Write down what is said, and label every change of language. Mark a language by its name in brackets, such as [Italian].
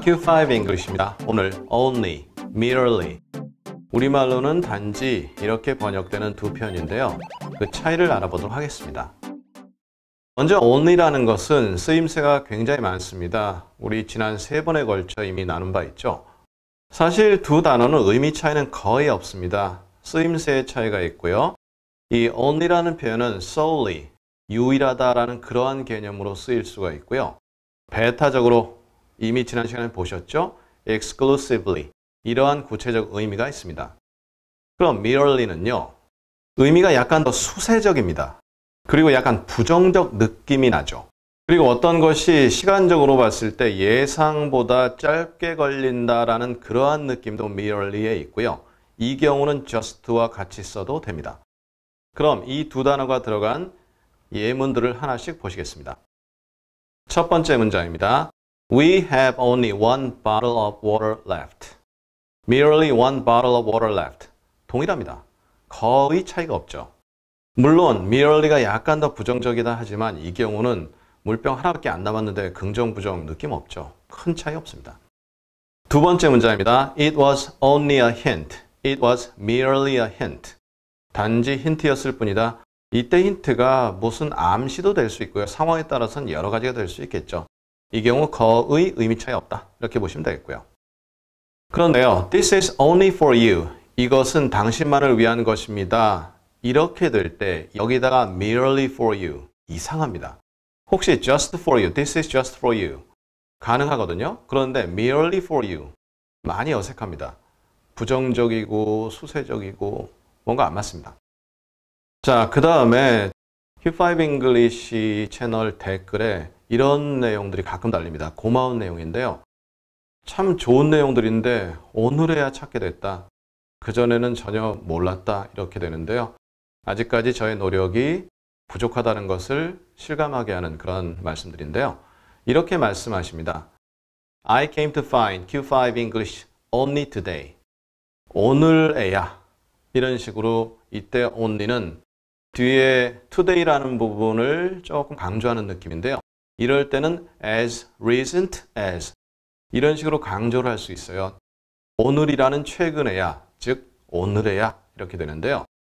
[Korean] Q5 English입니다. 오늘 only, merely. 우리말로는 단지 이렇게 번역되는 두 표현인데요. 그 차이를 알아보도록 하겠습니다. 먼저 only라는 것은 쓰임새가 굉장히 많습니다. 우리 지난 세 번에 걸쳐 이미 나눈 바 있죠. 사실 두 단어는 의미 차이는 거의 없습니다. 쓰임새의 차이가 있고요. 이 only라는 표현은 solely, 유일하다라는 그러한 개념으로 쓰일 수가 있고요. 배타적으로 이미 지난 시간에 보셨죠? exclusively, 이러한 구체적 의미가 있습니다. 그럼 merely는요, 의미가 약간 더 수세적입니다. 그리고 약간 부정적 느낌이 나죠. 그리고 어떤 것이 시간적으로 봤을 때 예상보다 짧게 걸린다라는 그러한 느낌도 merely에 있고요. 이 경우는 just와 같이 써도 됩니다. 그럼 이 두 단어가 들어간 예문들을 하나씩 보시겠습니다. 첫 번째 문장입니다. [English] We have only one bottle of water left. Merely one bottle of water left. [Korean] 동일합니다. 거의 차이가 없죠. 물론 merely가 약간 더 부정적이다 하지만 이 경우는 물병 하나밖에 안 남았는데 긍정 부정 느낌 없죠. 큰 차이 없습니다. 두 번째 문장입니다. [English] It was only a hint. It was merely a hint. [Korean] 단지 힌트였을 뿐이다. 이때 힌트가 무슨 암시도 될 수 있고요. 상황에 따라서는 여러 가지가 될 수 있겠죠. 이 경우 거의 의미 차이 없다. 이렇게 보시면 되겠고요. 그런데요. [English] This is only for you. [Korean] 이것은 당신만을 위한 것입니다. 이렇게 될 때 여기다가 merely for you. 이상합니다. 혹시 [English] just for you. This is just for you. [Korean] 가능하거든요. 그런데 [English] merely for you. [Korean] 많이 어색합니다. 부정적이고 수세적이고 뭔가 안 맞습니다. 자, 그 다음에 Q5 English 채널 댓글에 이런 내용들이 가끔 달립니다. 고마운 내용인데요. 참 좋은 내용들인데 오늘에야 찾게 됐다. 그전에는 전혀 몰랐다. 이렇게 되는데요. 아직까지 저의 노력이 부족하다는 것을 실감하게 하는 그런 말씀들인데요. 이렇게 말씀하십니다. [English] I came to find Q5 English only today. [Korean] 오늘에야. 이런 식으로 이때 only는 뒤에 today라는 부분을 조금 강조하는 느낌인데요. 이럴 때는 as, recent as 이런 식으로 강조를 할 수 있어요. 오늘이라는 최근에야, 즉 오늘에야 이렇게 되는데요.